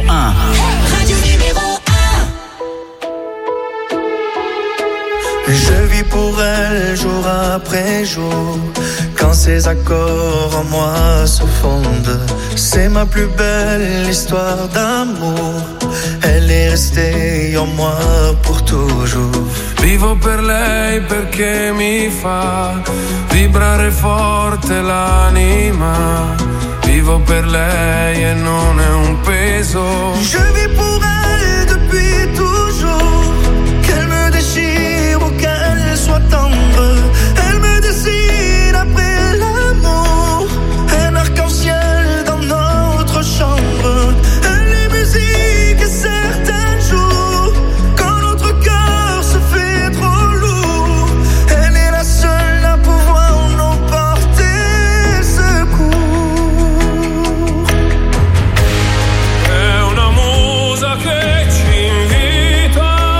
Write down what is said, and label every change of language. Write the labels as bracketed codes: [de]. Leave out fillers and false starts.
[fr] Radio numéro 1. Je vis pour elle jour après jour. Quand quand ces accords en moi se fondent, c'est ma plus belle histoire d'amour. Elle est restée en moi pour toujours. [it] Vivo per lei perché mi fa vibrare forte l'anima. Vivo per lei e non è un peso. [fr] Je vis pour elle depuis toujours. Qu'elle me déchire ou qu'elle soit tendre, elle me dessine après l'amour. Un arc-en-ciel dans notre chambre. Elle est musique et certains jours, quand notre cœur se fait trop lourd, elle est la seule à pouvoir nous porter secours. [it] Est una musa che ci invita.